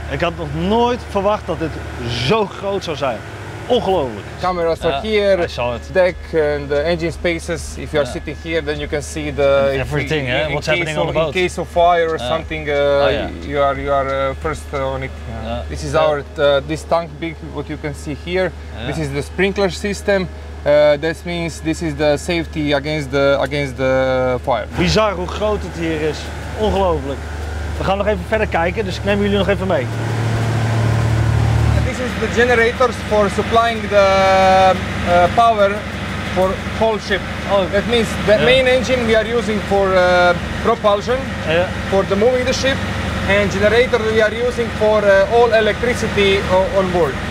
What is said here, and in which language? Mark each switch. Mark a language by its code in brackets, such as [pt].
[nl] Ik had nog nooit verwacht dat dit zo groot zou zijn. Ongelooflijk. [en] Camera's are here, deck and the engine spaces. If you are sitting here, then you can see the everything. What's happening on the boat? In case of fire or something, you are first on it. Yeah. This is our this tank big. What you can see here. Yeah. This is the sprinkler system. That means this is the safety against the fire. [nl] Bizar hoe groot het hier is. Ongelooflijk. We gaan nog even verder kijken, dus ik neem jullie nog even mee. [en] This is the generators for supplying the power for whole ship. Oh. That means the main engine we are using for propulsion, for the moving the ship, and generator we are using for all electricity on board.